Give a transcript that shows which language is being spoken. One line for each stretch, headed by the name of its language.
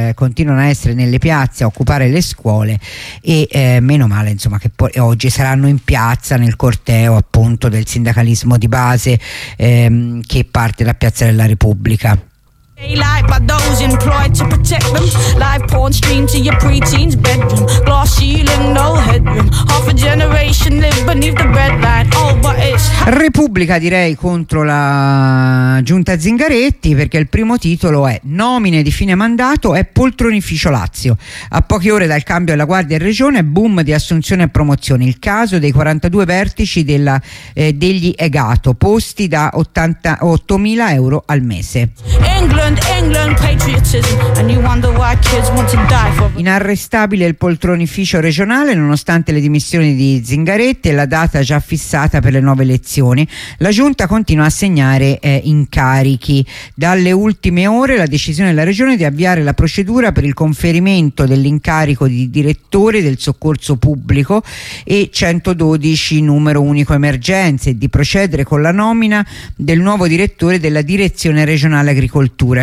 Italian: Continuano a essere nelle piazze a occupare le scuole e meno male insomma che poi oggi saranno in piazza nel corteo appunto del sindacalismo di base che parte da Piazza della Repubblica.
English: Daylight by those employed to protect them. Live porn stream to your preteen's bedroom. Glass ceiling, no headroom. Half a generation live beneath the red light. Oh, but it's
Italian: Repubblica, direi, contro la giunta Zingaretti, perché il primo titolo è nomine di fine mandato e poltronificio Lazio. A poche ore dal cambio della guardia in regione, boom di assunzione e promozione. Il caso dei 42 vertici degli EGATO, posti da 88.000 euro al mese.
English: England, patriotism, and you wonder why kids want to die for...
Italian: Inarrestabile il poltronificio regionale nonostante le dimissioni di Zingaretti e la data già fissata per le nuove elezioni. La giunta continua a assegnare incarichi. Dalle ultime ore la decisione della regione di avviare la procedura per il conferimento dell'incarico di direttore del soccorso pubblico e 112 numero unico emergenze, di procedere con la nomina del nuovo direttore della direzione regionale agricoltura.